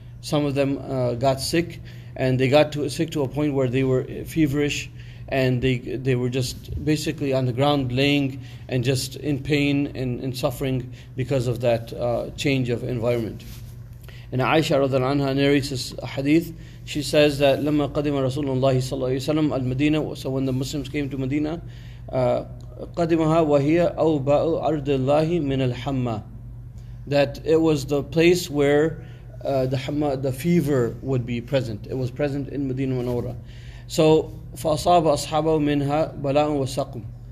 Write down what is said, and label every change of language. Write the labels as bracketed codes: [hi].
[en] Some of them got sick, and they got sick to a point where they were feverish, and they were just basically on the ground laying and just in pain and suffering because of that change of environment. And Aisha radhiallahu anha narrates this hadith. She says that [ar] لَمَّا قَدِمَ رَسُولُ اللَّهِ صَلَّى اللَّهُ عَلَيْهِ وَسَلَّمَ الْمَدِينَةَ. [en] So when the Muslims came to Medina, [ar] قَدِمَهَا وَهِيَ أَوْبَأُ عَرْضِ اللَّهِ مِنَ الْحَمَّةِ, [en] that it was the place where the fever would be present. It was present in Medina Munawwara. So [ar] فَأَصَابَ أَصْحَابَهُ مِنْهَا بَلَاءٌ وَسَقْمٌ.